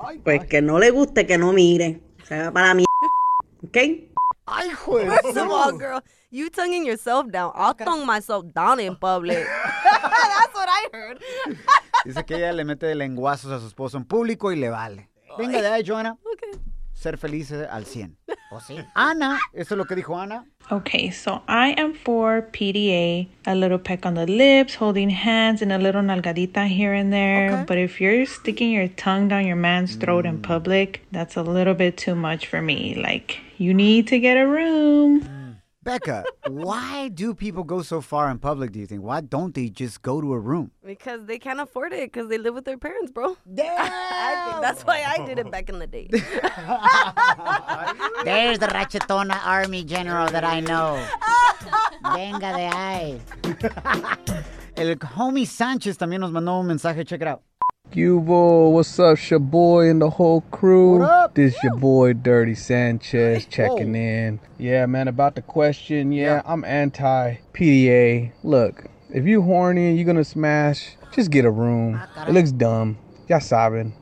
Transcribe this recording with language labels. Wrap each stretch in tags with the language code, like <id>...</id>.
<es>Ay, pues que no le guste, que no mire. Se va para mi... Okay? Ay, joder.</es> <en>First of all, girl, you tonguing yourself down. I'll okay. Tongue myself down in public. That's what I heard.</en> <es>Dice que ella le mete lenguazos a su esposo en público y le vale. Venga, de ahí, Joanna.</es> <en>Okay.</en> <es>Ser feliz al 100. ¿O sí? Ana, eso es lo que dijo Ana.</es> <en>Okay, so I am for PDA. A little peck on the lips, holding hands, and a little nalgadita here and there. Okay. But if you're sticking your tongue down your man's throat in public, that's a little bit too much for me. Like, you need to get a room. Becca, why do people go so far in public, do you think? Why don't they just go to a room? Because they can't afford it because they live with their parents, bro. Damn! That's why I did it back in the day. There's the Rachetona Army General that I know.</en> <es>Venga de ahí. El homie Sanchez también nos mandó un mensaje.</es> <en>Check it out. Cubo, what's up, your boy and the whole crew? What up? This your boy, Dirty Sanchez, checking in. Yeah, man, about the question, yeah. I'm anti-PDA. Look, if you horny and you're going to smash, just get a room. It looks dumb.</en> <es>Ya saben.</es>